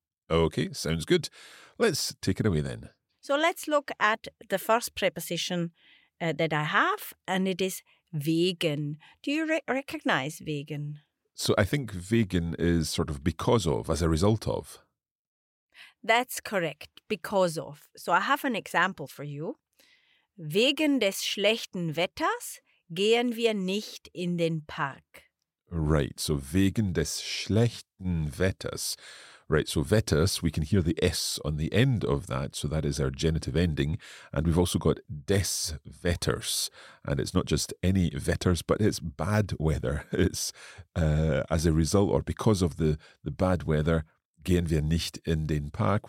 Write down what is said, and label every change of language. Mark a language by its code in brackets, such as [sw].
[en] Okay, sounds good. Let's take it away then. So let's look at the first preposition that I have, and it is wegen. Do you recognize wegen? So I think wegen is sort of because of, as a result of. That's correct, because of. So I have an example for you. [de] Wegen des schlechten Wetters gehen wir nicht in den Park. [en] Right, so [de] wegen des schlechten Wetters. [en] Right, so Wetters, we can hear the S on the end of that, so that is our genitive ending. And we've also got [de] des Wetters. [en] And it's not just any Wetters, but it's bad weather. It's as a result or because of the bad weather, [de] gehen wir nicht in den Park.